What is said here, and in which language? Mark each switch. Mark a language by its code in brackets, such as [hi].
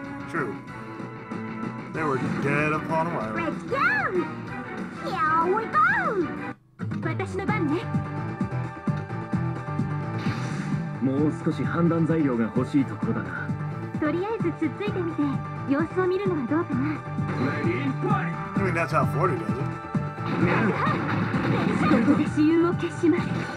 [en] True. They were dead upon arrival. Let's go! Here we go! [ja] 私の番ね。もう少し判断材料が欲しいところだな。とりあえずつっついてみて様子を見るのはどうかな。 [en] Ready, fight! I mean, that's how 40 does it. [ja] どこで私有を消します。